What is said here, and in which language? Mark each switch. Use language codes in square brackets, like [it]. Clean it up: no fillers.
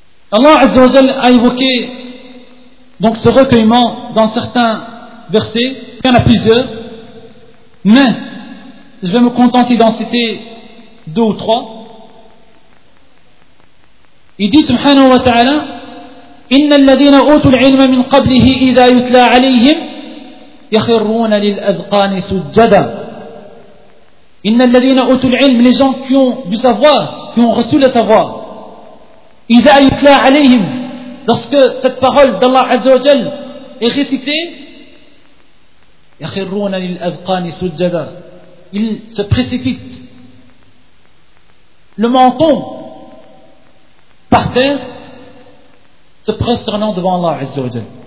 [fr] Allah Azza wa Jalla a évoqué donc ce recueillement dans certains versets, il y en a plusieurs, mais je vais me contenter d'en citer deux ou trois. Il dit [ar] subhanahu wa ta'ala, إِنَّ الَّذِينَ أُوتُوا الْعِلْمَ مِنْ قَبْلِهِ إِذَا يُتْلَى عَلَيْهِمْ يَخِرُّونَ لِلْأَذْقَانِ سُجَّدًا. إِنَّ الَّذِينَ أُوتُوا الْعِلْمَ, [fr] les gens qui ont du savoir, qui ont reçu le savoir, [ar] إِذَا يُتْلَى عَلَيْهِمْ, [fr] lorsque cette parole d'Allah Azza wa Jal est récitée, [ar] يَخِرُّونَ لِلْأَذْقَانِ سُجَّدًا, [fr] ils se précipitent le menton par terre, se prosternant devant Allah Azza wa Jal.